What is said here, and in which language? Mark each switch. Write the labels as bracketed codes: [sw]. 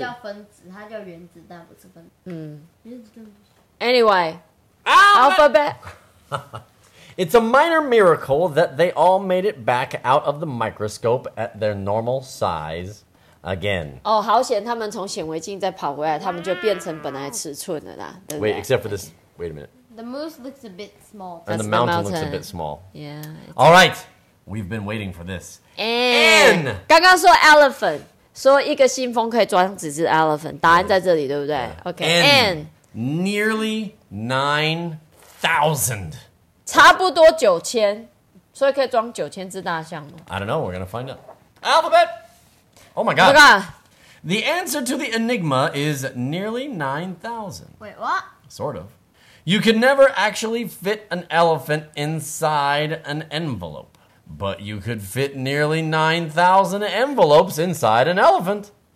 [zh] 它不叫分子，它叫原子弹，不是分子。 [en] Anyway, alphabet. It's a minor miracle that they all made it back out of the microscope at their normal size again. [zh] 哦，好险，他们从显微镜再跑回来，他们就变成本来尺寸了啦。对不对？ [en] Wait, except for this. Wait a minute. The moose looks a bit small. And the mountain looks a bit small. Yeah. All right. We've been waiting for this. [zh] And 刚刚说 elephant, 说一个信封可以装几只 elephant, 答案在这里对不对 Okay. And [en] nearly 9,000. [zh] 差不多 9,000, 所以可以装9,000只大象吗 [en] I don't know, we're going to find out. Alphabet! Oh my god. Oh my god. The answer to the enigma is nearly 9,000. Wait, what? Sort of. You can never actually fit an elephant inside an envelope. But you could fit nearly 9,000 envelopes inside an elephant.